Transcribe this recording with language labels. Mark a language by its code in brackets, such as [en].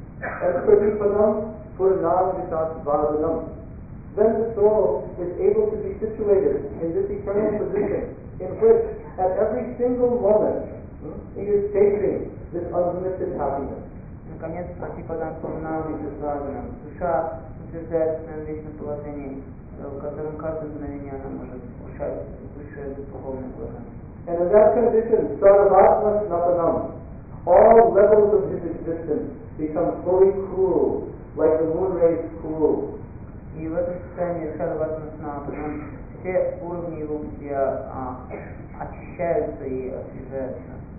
[en] As Pradipanam Purnam Vitas Varatanam, then the soul is able to be situated in this eternal position in which at every single moment he is tasting this unlimited happiness. [ru] Наконец, Пратипадан Пурнам Витасвараданам. Душа утверждает свое вечное положение, в котором каждое мгновение она может вкушать высшее духовное блаженство. [en] And in that condition, Sarvatma Snapanam, all levels of his existence become fully cruel, like the moon rays cruel. [ru] И в этом состоянии Sarvatma Snapanam все уровни его бытия очищаются и освежаются.